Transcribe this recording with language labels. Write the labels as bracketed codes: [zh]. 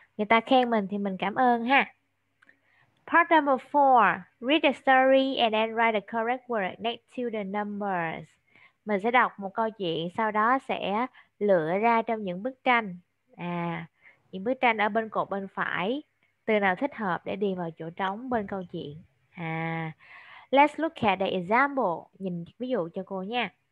[vi] Người ta khen mình thì mình cảm ơn ha. [en] Part number four. Read the story and then write the correct word next to the numbers. [vi] Mình sẽ đọc một câu chuyện, sau đó sẽ lựa ra trong những bức tranh. À, những bức tranh ở bên cột bên phải, từ nào thích hợp để đi vào chỗ trống bên câu chuyện. À, [en] let's look at the example. [vi] Nhìn ví dụ cho cô nha.